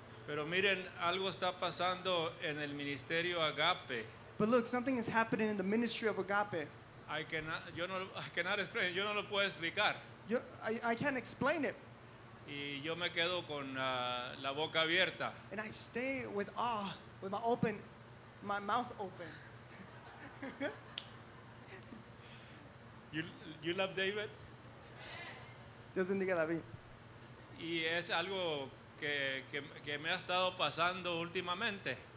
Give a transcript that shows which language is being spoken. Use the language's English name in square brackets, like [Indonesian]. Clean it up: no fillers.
[Spanish] Pero miren, algo está pasando en el ministerio Agape. [English] But look, something is happening in the ministry of Agape. I cannot explain. I can't explain it. [Spanish] Y yo me quedo con la boca abierta. [English] And I stay with awe, with my mouth open. you love David? [Spanish] Dios bendiga David. Y es algo que me ha estado pasando últimamente.